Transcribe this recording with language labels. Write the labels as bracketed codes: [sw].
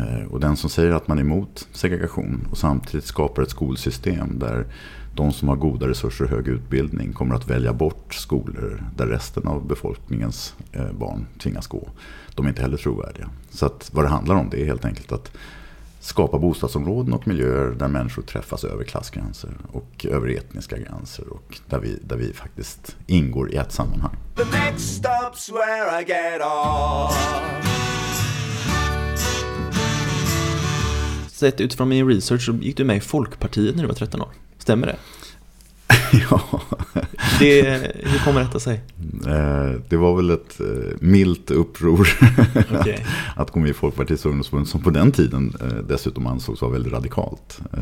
[sv] Och den som säger att man är emot segregation och samtidigt skapar ett skolsystem där de som har goda resurser och hög utbildning kommer att välja bort skolor där resten av befolkningens barn tvingas gå, de är inte heller trovärdiga. Så att vad det handlar om, det är helt enkelt att skapa bostadsområden och miljöer där människor träffas över klassgränser och över etniska gränser och där vi faktiskt ingår i ett sammanhang. [en] The next stop's where I get off. [sv] Sett utifrån min research så gick du med i Folkpartiet när du var 13 år. Stämmer det? Ja. Hur kommer detta sig? Det var väl ett milt uppror att gå med i Folkpartiets ungdomsbund, som på den tiden dessutom ansågs vara väldigt radikalt.